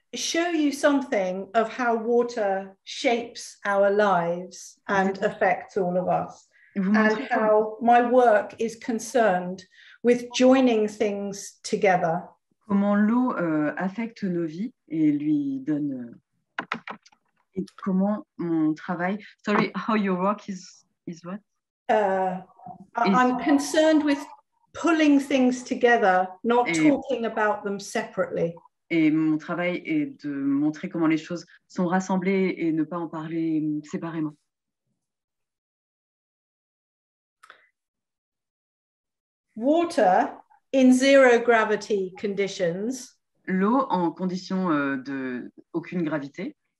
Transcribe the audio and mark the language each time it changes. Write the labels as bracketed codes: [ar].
[en] show you something of how water shapes our lives and affects all of us, and how my work is concerned with joining things together. [fr] Comment l'eau affecte nos vies et lui donne. Et comment mon travail. [en] Sorry, how your work is what? I'm concerned with pulling things together, not talking about them separately. [fr] Et mon travail est de montrer comment les choses sont rassemblées et ne pas en parler séparément. [en] Water in zero gravity conditions. [fr] L'eau en condition de aucune gravité.